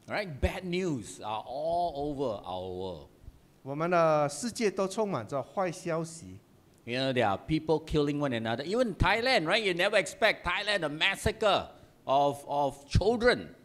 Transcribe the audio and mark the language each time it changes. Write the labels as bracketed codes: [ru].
[en] ？Right, bad news are all over our world. [zh] 我们的世界都充满着坏消息。 [en] You know, there are people killing one another. Even Thailand, right? You never expect Thailand a massacre of children.